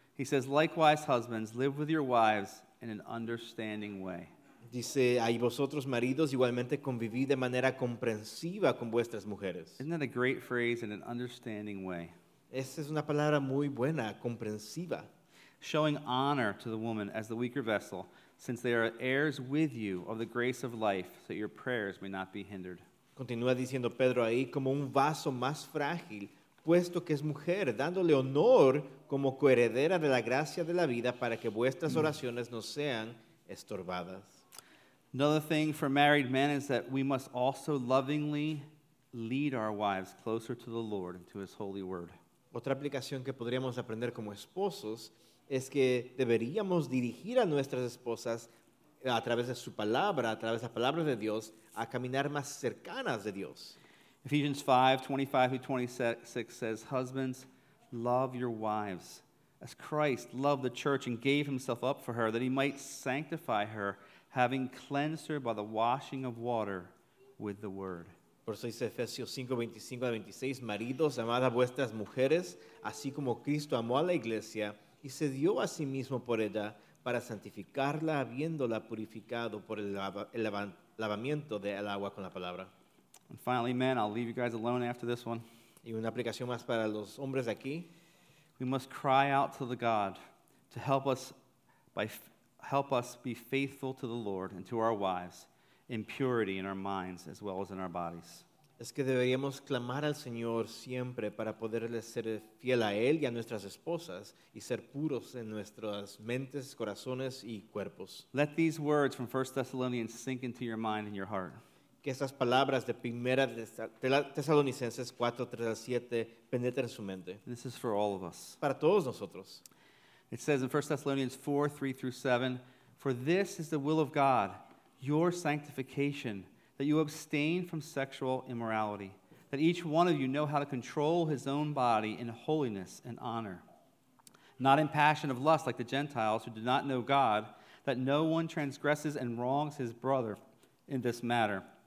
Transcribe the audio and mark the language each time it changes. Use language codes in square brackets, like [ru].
[en] He says, "Likewise, husbands, live with your wives in an understanding way." [es] Dice, ahí vosotros maridos igualmente conviví de manera comprensiva con vuestras mujeres. [en] Isn't that a great phrase in an understanding way? [es] Esa es una palabra muy buena, comprensiva. [en] Showing honor to the woman as the weaker vessel, since they are heirs with you of the grace of life, so that your prayers may not be hindered. [es] Continúa diciendo Pedro ahí, como un vaso más frágil, puesto que es mujer, dándole honor como coheredera de la gracia de la vida para que vuestras oraciones no sean estorbadas. [en] Another thing for married men is that we must also lovingly lead our wives closer to the Lord and to His holy word. [es] Otra aplicación que podríamos aprender como esposos es que deberíamos dirigir a nuestras esposas a través de su palabra, a través de la palabra de Dios, a caminar más cercanas de Dios. [en] Ephesians 5:25-26 says, "Husbands, love your wives as Christ loved the church and gave himself up for her, that he might sanctify her, having cleansed her by the washing of water with the word." [es] Por eso dice Efesios 5:25-26, "Maridos, amad a vuestras mujeres, así como Cristo amó a la iglesia y se dio a sí mismo por ella para santificarla, habiéndola purificado por el lavamiento del agua con la palabra." [en] And finally, men, I'll leave you guys alone after this one. [es] Y una aplicación más para los hombres aquí. [en] We must cry out to the God to help us be faithful to the Lord and to our wives in purity in our minds as well as in our bodies. [es] Es que deberíamos clamar al Señor siempre para poderle ser fiel a Él y a nuestras esposas y ser puros en nuestras mentes, corazones y cuerpos. [en] Let these words from 1 Thessalonians sink into your mind and your heart. [es] Que estas palabras de Primera Tesalonicenses 4:3-7 penetren su mente. [en] This is for all of us. [es] Para todos nosotros. [en] It says in 1 Thessalonians 4:3-7, "For this is the will of God, your sanctification, that you abstain from sexual immorality, that each one of you know how to control his own body in holiness and honor, not in passion of lust like the Gentiles who do not know God, that no one transgresses and wrongs his brother in this matter.